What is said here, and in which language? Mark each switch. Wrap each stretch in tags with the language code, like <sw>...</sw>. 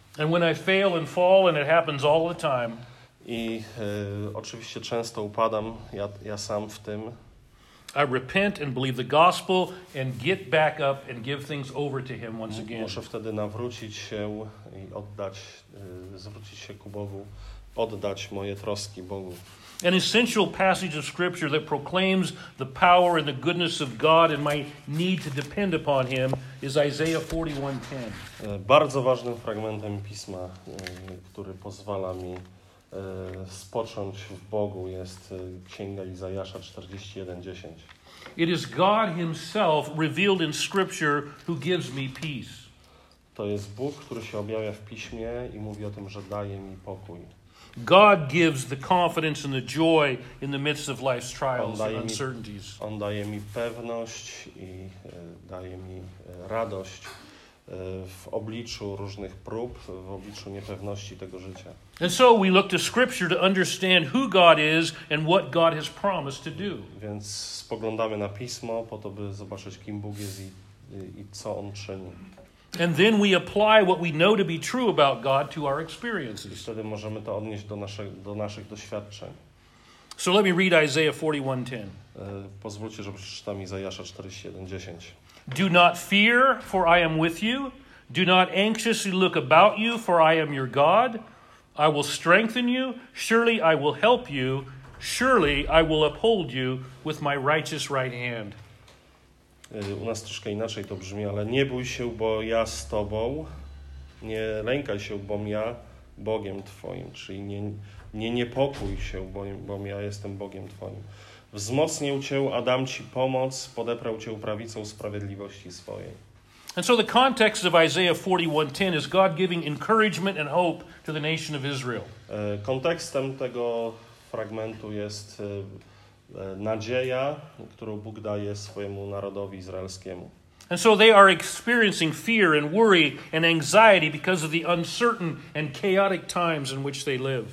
<en>And when I fail and fall and it happens all the time.</en> <pl>I oczywiście często upadam ja sam w tym.</pl> <en>I repent and believe the gospel and get back up and give things over to him once again.</en> <pl>Muszę wtedy nawrócić się i oddać, zwrócić się ku Bogu, oddać moje troski Bogu.</pl> <en>An essential passage of scripture that proclaims the power and the goodness of God and my need to depend upon him is Isaiah 41:10.</en> <pl>Bardzo ważnym fragmentem pisma, który pozwala mi spocząć w Bogu, jest księga Izajasza 41:10.</pl> <en>It is God himself revealed in scripture who gives me peace.</en> <pl>To jest Bóg, który się objawia w piśmie i mówi o tym, że daje mi pokój.</pl> <en>God gives the confidence and the joy in the midst of life's trials and uncertainties.</en> <pl>On daje mi pewność i daje mi radość w obliczu różnych prób, w obliczu niepewności tego życia.</pl> <en>And so we look to scripture to understand who God is and what God has promised to do.</en> <pl>Więc spoglądamy na pismo po to, by zobaczyć, kim Bóg jest i co on czyni.</pl> <en>And then we apply what we know to be true about God to our experiences.</en> <pl>I wtedy możemy to odnieść do naszych doświadczeń.</pl> <en>So let me read Isaiah 41:10.</en> <pl>Pozwólcie, że przeczytam Izajasza 41:10.</pl> <en>Do not fear, for I am with you. Do not anxiously look about you, for I am your God. I will strengthen you. Surely I will help you. Surely I will uphold you with my righteous right hand.</en> <pl>U nas troszkę inaczej to brzmi, ale nie bój się, bo ja z tobą. Nie lękaj się, bo ja Bogiem twoim. Czyli nie niepokój się, bo ja jestem Bogiem twoim. Wzmocnię cię, a dam ci pomoc, podeprę cię prawicą sprawiedliwości swojej.</pl> <en>And so the context of Isaiah 41:10 is God giving encouragement and hope to the nation of Israel.</en> <pl>Kontekstem tego fragmentu jest nadzieja, którą Bóg daje swojemu narodowi izraelskiemu.</pl> <en>And so they are experiencing fear and worry and anxiety because of the uncertain and chaotic times in which they live.</en>